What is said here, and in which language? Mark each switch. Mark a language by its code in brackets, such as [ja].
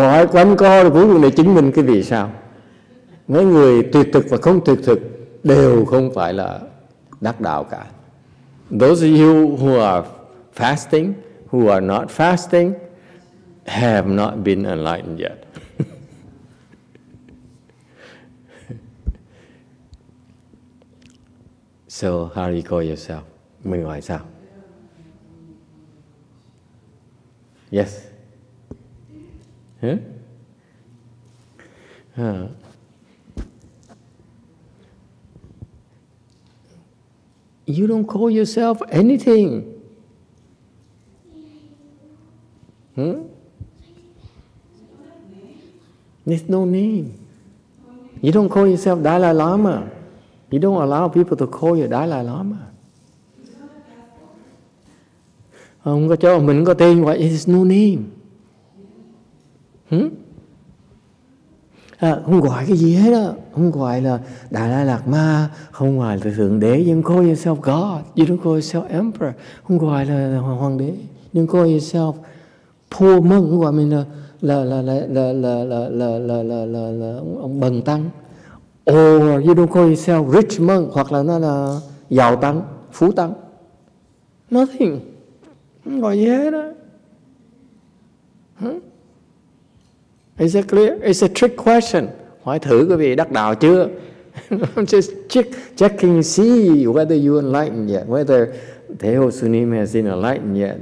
[vi] Quanh co là cuối cùng để chứng minh cái vì sao. Mấy người tuyệt thực và không tuyệt thực đều không phải là đắc đạo cả. [en] Those of you who are fasting, who are not fasting, have not been enlightened yet. So how do you call yourself? [vi] Mình gọi sao? [en] Yes. You don't call yourself anything. There's no name. You don't call yourself Dalai Lama. You don't allow people to call you Dalai Lama. [vi] Ông có cho mình có tên gọi, [en] it's no name. [vi] Không gọi cái gì hết á, không gọi là Đà La Lạt Ma, không gọi là Thượng Đế, nhưng [en] call yourself God, you don't call yourself Emperor, [vi] không gọi là Hoàng Đế, nhưng [en] call yourself Poor Monk, [vi] không gọi mình là ông Bần Tăng, [en] or you don't call yourself Rich Monk, [vi] hoặc là nó là Giàu Tăng, Phú Tăng, [en] nothing, [vi] không gọi gì hết á. [en] Is it clear? It's a trick question. [vi] Hỏi thử quý vị đắc đạo chưa? [en] I'm just checking to see whether you are enlightened yet, whether the whole Sunim has been enlightened yet.